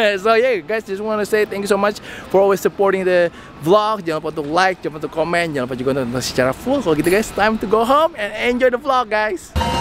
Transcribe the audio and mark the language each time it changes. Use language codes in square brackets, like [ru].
[en] So yeah guys, just want to say thank you so much for always supporting the vlog. [id] Jangan lupa untuk like, jangan lupa untuk komen, jangan lupa juga untuk nonton secara full. [en] Kalau gitu guys, time to go home and enjoy the vlog guys.